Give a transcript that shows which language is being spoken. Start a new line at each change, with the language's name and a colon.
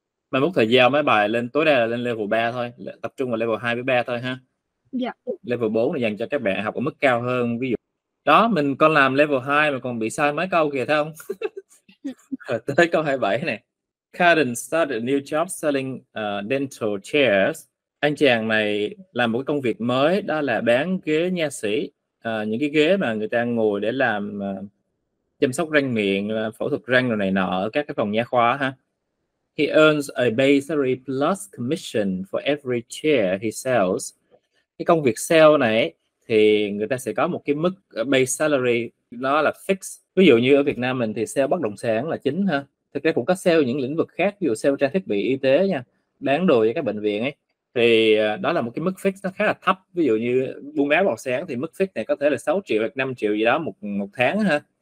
Vietnamese: Mà mức thời gian mấy bài lên tối đa là lên level 3 thôi, tập trung vào level 2 với 3 thôi ha. Dạ. Level 4 là dành cho các bạn học ở mức cao hơn, ví dụ. Đó, mình con làm level 2 mà còn bị sai mấy câu kìa, thấy không? Tới câu 27 này.
English: Carden started a new job selling dental chairs.
Vietnamese: Anh chàng này làm một công việc mới, đó là bán ghế nha sĩ. Những cái ghế mà người ta ngồi để làm chăm sóc răng miệng, phẫu thuật răng rồi này nọ ở các cái phòng nha khoa ha.
English: He earns a basically plus commission for every chair he sells.
Vietnamese: Cái công việc sale này thì người ta sẽ có một cái mức base salary, nó là fix. Ví dụ như ở Việt Nam mình thì sale bất động sản là chính ha. Thực ra cũng có sale những lĩnh vực khác, ví dụ sale trang thiết bị y tế nha, bán đồ cho các bệnh viện ấy. Thì đó là một cái mức fix nó khá là thấp. Ví dụ như buôn bán bảo sáng thì mức fix này có thể là 6 triệu hoặc 5 triệu gì đó một tháng ha.